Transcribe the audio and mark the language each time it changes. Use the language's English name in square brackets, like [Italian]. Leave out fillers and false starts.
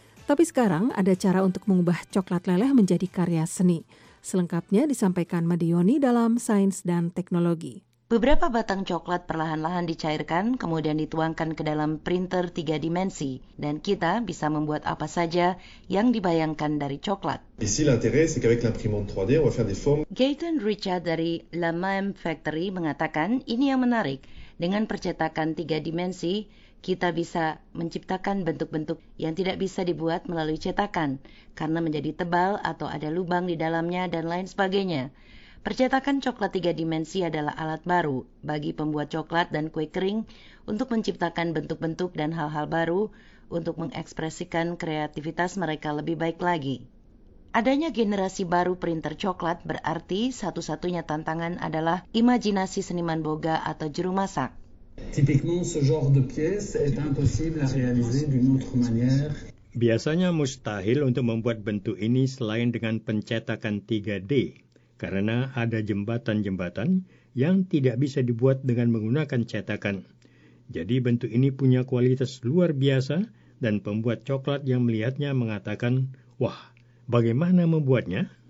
[Indonesian] Tapi sekarang ada cara untuk mengubah coklat leleh menjadi karya seni. Selengkapnya disampaikan Madioni dalam Sains dan Teknologi. Beberapa batang coklat perlahan-lahan dicairkan, kemudian dituangkan ke dalam printer 3 dimensi, dan kita bisa membuat apa saja yang dibayangkan dari coklat. [French] Ici l'intérêt c'est qu'avec l'imprimante 3D, on va faire des formes. [Indonesian] Gaten Richard dari La Même Factory mengatakan ini yang menarik. Dengan percetakan 3 dimensi, kita bisa menciptakan bentuk-bentuk yang tidak bisa dibuat melalui cetakan, karena menjadi tebal atau ada lubang di dalamnya dan lain sebagainya. Percetakan coklat 3 dimensi adalah alat baru bagi pembuat coklat dan kue kering untuk menciptakan bentuk-bentuk dan hal-hal baru untuk mengekspresikan kreativitas mereka lebih baik lagi. Adanya generasi baru printer coklat berarti satu-satunya tantangan adalah imajinasi seniman boga atau juru masak. [French] Typiquement ce genre de pièce est impossible à réaliser d'une autre manière. [Indonesian] Biasanya mustahil untuk membuat bentuk ini selain dengan pencetakan 3D. Karena ada jembatan-jembatan yang tidak bisa dibuat dengan menggunakan cetakan. Jadi bentuk ini punya kualitas luar biasa dan pembuat coklat yang melihatnya mengatakan, wah, bagaimana membuatnya?